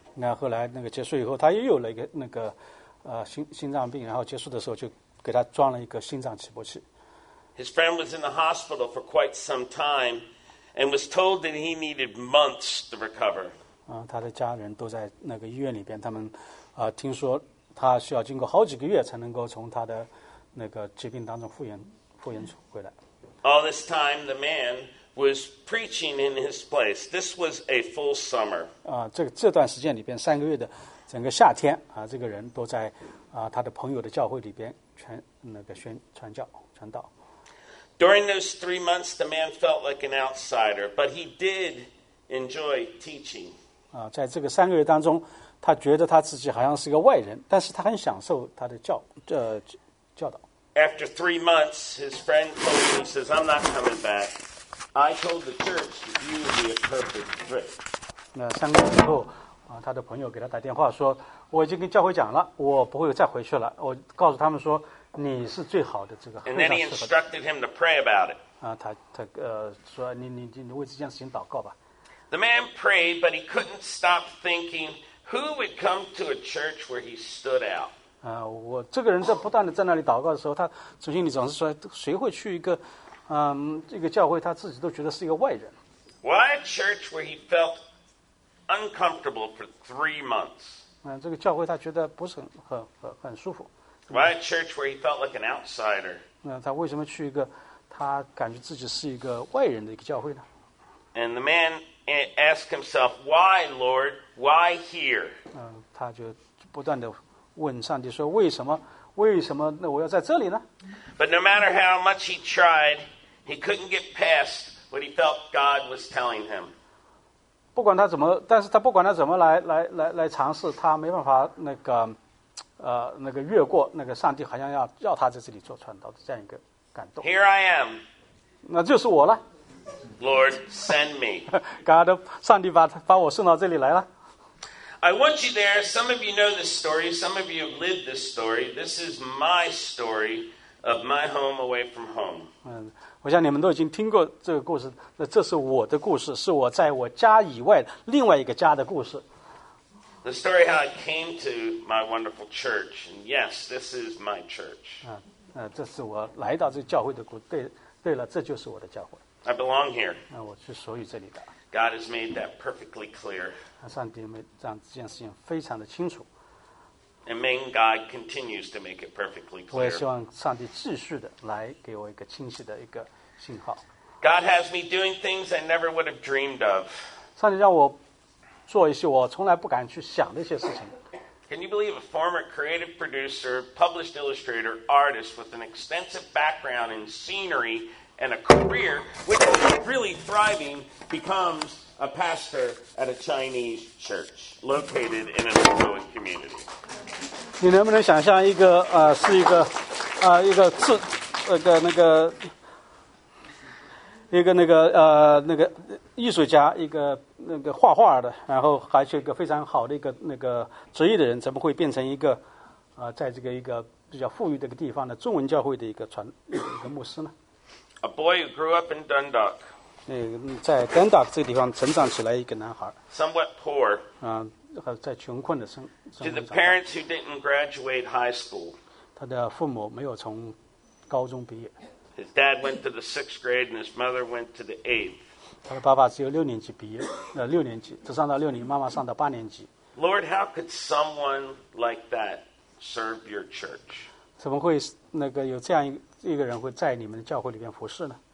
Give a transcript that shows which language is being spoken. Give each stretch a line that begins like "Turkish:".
Chinese: 那后来那个结束以后，他又有了一个那个。心脏病，然后结束的时候就给他装了一个心脏起搏器。
English: His friend was in the hospital for quite some time, and was told that he needed months to recover.
Chinese: 他的家人都在那个医院里边，他们听说他需要经过好几个月才能够从他的那个疾病当中复原回来。
English: All this time, the man was preaching in his place. This was a full summer.
Chinese: 这段时间里边三个月的。整个夏天啊，这个人都在啊他的朋友的教会里边传道。
English: During those 3 months, the man felt like an outsider, but he did enjoy teaching.
Chinese: 在这个三个月当中，他觉得他自己好像是个外人，但是他很享受他的教导。
English: After 3 months, his friend told him, "says I'm not coming back. I told the church that you would be a perfect fit."
Chinese: 那三个月以后。他的朋友给他打电话说，我已经跟教会讲了，我不会再回去了，我告诉他们说你是最好的，这个非常适合。
English: And then he instructed him to pray about it.
Chinese: 他说你为这件事情祷告吧。
English: The man prayed, but he couldn't stop thinking who would come to a church where he stood out.
Chinese: 我这个人在不断的在那里祷告的时候，他主心里总是说谁会去一个这个教会他自己都觉得是一个外人。
English: Why a church where he feltuncomfortable for 3 months.
Chinese: 这个教会他觉得不是很舒服。
English: Why a church where he felt like an outsider?
Chinese: 他为什么去一个他感觉自己是一个外人的一个教会呢？
English: And the man asked himself, "Why, Lord? Why here?"
Chinese: 他就不断的问上帝说，为什么那我要在这里呢？
English: But no matter how much he tried, he couldn't get past what he felt God was telling him.
Chinese: 不管他怎么，但是他不管他怎么来尝试，他没办法那个越过那个上帝好像要他在这里做传道的这样一个感动。
English: Here I am，
Chinese: 那就是我了。
English: Lord, send me.
Chinese: God, 上帝把我送到这里来了。
English: I want you there. Some of you know this story. Some of you have lived this story. This is my story of my home away from home.
Chinese: 我想你们都已经听过这个故事，那这是我的故事，是我在我家以外另外一个家的故事。
English: The story how I came to my wonderful church, and yes, this is my church.
Chinese: 这是我来到这教会的故事。对了，这就是我的教会。
English: I belong here.
Chinese: 我是属于这里的。
English: God has made that perfectly clear.
Chinese: 上帝让这件事情非常的清楚。
English: And may God continues to make it perfectly clear.
Chinese: 我也希望上帝继续的来给我一个清晰的一个信号。
English: God has me doing things I never would have dreamed of.
Chinese: 上帝让我做一些我从来不敢去想的一些事情。
English: Can you believe a former creative producer, published illustrator, artist with an extensive background in scenery and a career, which is really thriving, becomes a pastor at a Chinese church located in an Hmong community.
Chinese: 你能不能想象一个是一个一个字那个那个一个那个那个艺术家，一个那个画画的，然后还是一个非常好的一个那个职业的人，怎么会变成一个在这个一个比较富裕的一个地方的中文教会的一个传一个牧师呢
English: ？A boy who grew up in Dundalk.
Chinese: 在 Dundalk 这个地方成长起来一个男孩。
English: Somewhat poor.
Chinese: 在穷困的生。
English: To the parents who didn't graduate high school.
Chinese: 他的父母没有从高中毕业。
English: His dad went to the sixth grade and his mother went to the eighth.
Chinese: 他的爸爸只有六年级毕业，六年级，只上到六年，妈妈上到八年级。
English: Lord, how could someone like that serve your church?
Chinese: 怎么会那个有这样一个人会在你们的教会里面服事呢